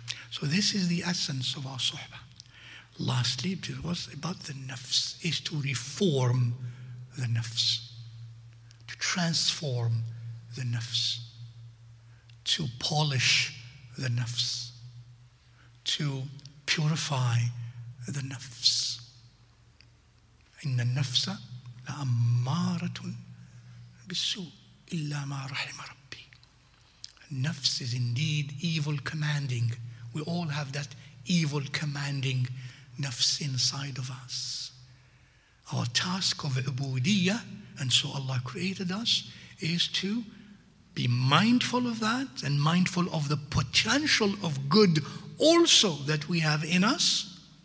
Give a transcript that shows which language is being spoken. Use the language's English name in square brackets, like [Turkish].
[English] So this is the essence of our suhbah. Lastly, it was about the nafs, is to reform the nafs, to transform the nafs, to polish the nafs, to purify the nafs. [Arabic] إن النفس لأمارة بالسوء إلا ما رحم ربي. [English] Nafs is indeed evil commanding. We all have that evil commanding nafs inside of us. Our task of ubudiyya, and so Allah created us, is to be mindful of that and mindful of the potential of good also that we have in us.